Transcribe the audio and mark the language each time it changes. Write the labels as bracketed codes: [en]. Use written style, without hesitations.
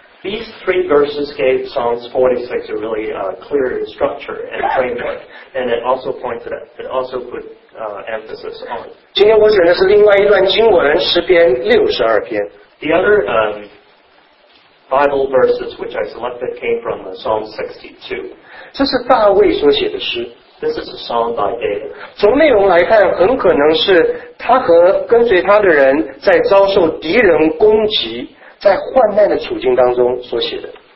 [en] These three verses gave Psalms 46 a really clear structure and framework, and it also pointed at, it also put emphasis on. [zh] 今天我选的是另外一段经文，诗篇六十二篇。 [en] The other Bible verses which I selected came from Psalm 62. [zh] 这是大卫所写的诗。 [en] This is a song by David. [zh] 从内容来看，很可能是他和跟随他的人在遭受敌人攻击，在患难的处境当中所写的。